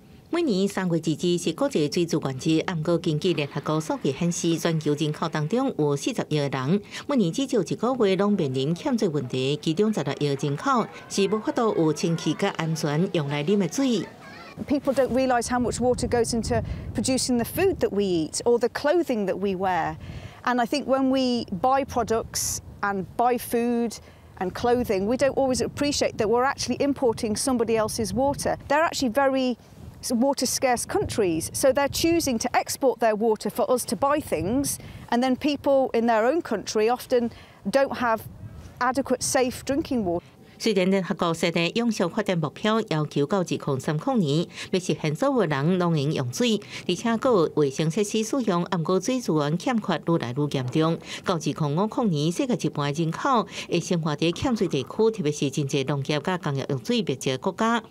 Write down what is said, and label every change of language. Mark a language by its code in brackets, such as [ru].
[nan] 每年3月20日是国际水资源日，按个根据联合国数据显示，全球人口当中有40亿人，每年至少一个月拢面临欠水问题，其中16亿人口是无法度有清洁甲安全用来啉的水。 [en] People don't realise how much water goes into producing the food that we eat or the clothing that we wear. And I think when we buy products and buy food and clothing, we don't always appreciate that we're actually importing somebody else's water. They're actually very water scarce countries, so they're choosing to export their water for us to buy things. And then people in their own country often don't have adequate, safe drinking water. [nan] 虽然联合国设定永续发展目标，要求到2030年要实现所有人拢能用水，而且个卫生设施使用，不过水资源欠缺愈来愈严重。到2050年，世界一半人口会生活在欠水地区，特别是真侪农业甲工业用水密集的国家。